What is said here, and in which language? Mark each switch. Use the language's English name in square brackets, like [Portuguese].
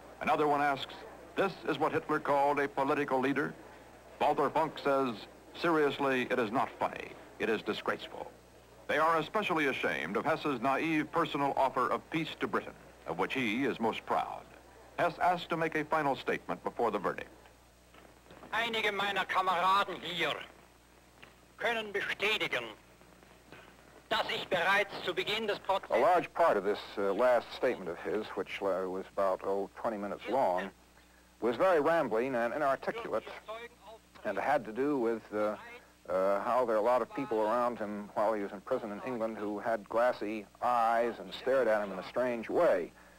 [English] Another one asks, this is what Hitler called a political leader? Walter Funk says, seriously, it is not funny. It is disgraceful. They are especially ashamed of Hess's naive personal offer of peace to Britain, of which he is most proud. Hess asks to make a final statement before the verdict. [German] Einige meiner Kameraden hier können bestätigen, dass ich bereits zu Beginn des Prozesses... [English] A large part of this last statement of his, which was about, 20 minutes long, was very rambling and inarticulate, and had to do with how there are a lot of people around him while he was in prison in England who had glassy eyes and stared at him in a strange way.